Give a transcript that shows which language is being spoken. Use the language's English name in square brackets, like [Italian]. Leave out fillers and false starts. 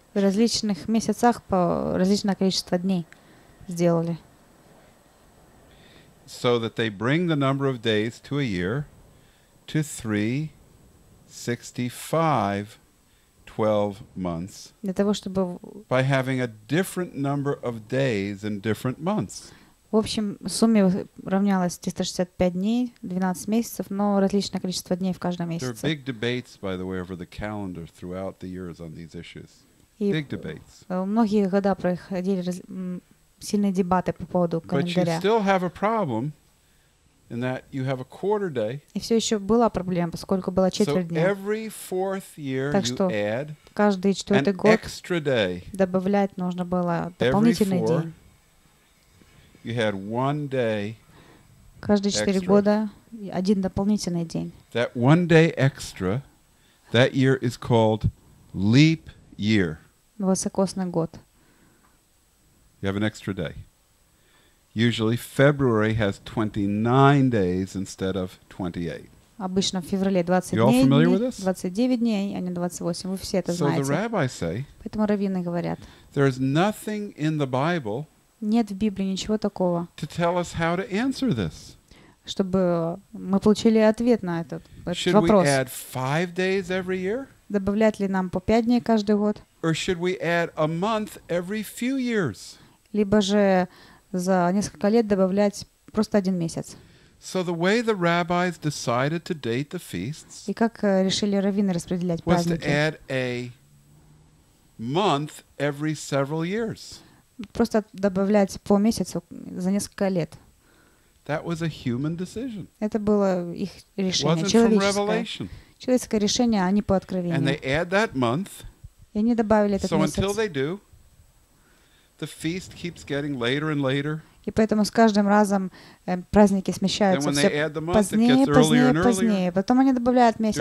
[Russian] В различных месяцах по различное количество дней сделали. [English] So that they bring the number of days to a year to 365, 12 months. [Russian] Для того чтобы. [English] By having a different number of days in different months. [Russian] В общем, сумме равнялось 365 дней, 12 месяцев, но различное количество дней в каждом месяце. [English] There are big debates, by the way, over the calendar throughout the years on these issues. Big debates. [Russian] Многие года проходили сильные дебаты по поводу календаря. [English] But you still have a problem in that you have a quarter day. [Russian] И все еще была проблема, поскольку была четверть дня. [English] So every fourth year you add. [Russian] Каждый четвертый год. [English] An extra day. [Russian] Добавлять нужно было дополнительный день. [English] You had one day. [Russian] Каждые 4 года один дополнительный день. [English] That one day extra, that year is called leap year. [Russian] Высокосный год. [English] You have an extra day. Usually February has 29 days instead of 28. [Russian] Обычно в феврале 29 дней, а не 28. Вы все это знаете. [English] So the rabbis say. [Russian] Поэтому раввины говорят. [English] There is nothing in the Bible. [Russian] Нет в Библии ничего такого. [English] To tell us how to answer this. [Russian] Чтобы мы получили ответ на этот [English] should [Russian] вопрос. [English] Should we add 5 days every year? [Russian] Добавлять ли нам по 5 дней каждый год? [English] Or should we add a month every few years? [Russian] Либо же за несколько лет добавлять просто один месяц. [English] So the way the rabbis decided to date the feasts. [Russian] И как решили раввины распределять праздники? [English] Was to add a month every several years. [Russian] Просто добавлять по месяцу за несколько лет. [English] That was a human decision. [Russian] Это было их решение, человеческое решение, а не по откровению. [English] And they add that month. [Russian] И они добавили этот [English] so [Russian] месяц. [English] Until they do, the feast keeps getting later and later. [Russian] И поэтому с каждым разом праздники смещаются [English] and [Russian] все [English] they add the month, [Russian] позднее, [English] it gets [Russian] позднее, [English] earlier and [Russian] позднее. [English] Earlier. [Russian] Потом они добавляют месяц.